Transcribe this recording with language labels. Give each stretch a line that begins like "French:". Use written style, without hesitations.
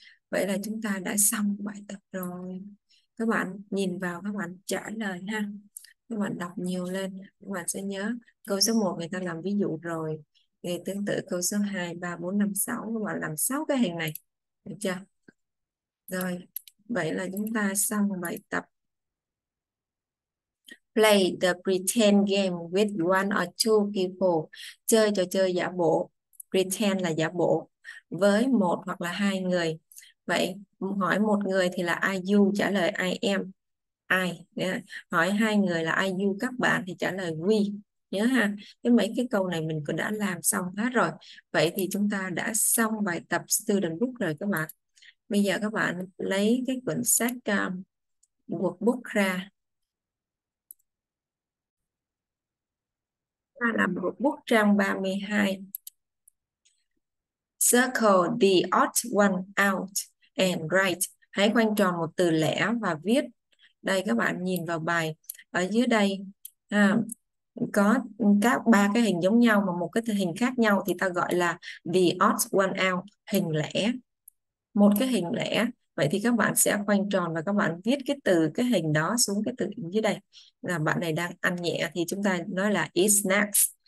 Vietnamese: Vậy là chúng ta đã xong bài tập rồi. Các bạn nhìn vào, các bạn trả lời ha. Các bạn đọc nhiều lên, các bạn sẽ nhớ. Câu số 1 người ta làm ví dụ rồi. Người tương tự câu số 2, 3, 4, 5, 6. Các bạn làm 6 cái hình này. Được chưa? Rồi, vậy là chúng ta xong bài tập.
English: Play the pretend game with one or two people.
Vietnamese: Chơi trò chơi giả bộ. Pretend là giả bộ. Với một hoặc là hai người. Vậy hỏi một người thì là I you, trả lời I am. I. Hỏi hai người là I you các bạn thì trả lời we. Nhớ ha. Cái mấy cái câu này mình cũng đã làm xong hết rồi. Vậy thì chúng ta đã xong bài tập student book rồi các bạn. Bây giờ các bạn lấy cái quyển sách workbook ra. Ta làm workbook trang 32.
English: Circle the odd one out and write.
Vietnamese: Hãy khoanh tròn một từ lẻ và viết. Đây các bạn nhìn vào bài ở dưới đây có các ba cái hình giống nhau mà một cái hình khác nhau thì ta gọi là the odd one out, hình lẻ, một cái hình lẻ. Vậy thì các bạn sẽ khoanh tròn và các bạn viết cái từ cái hình đó xuống cái từ dưới đây là bạn này đang ăn nhẹ thì chúng ta nói là eat snacks.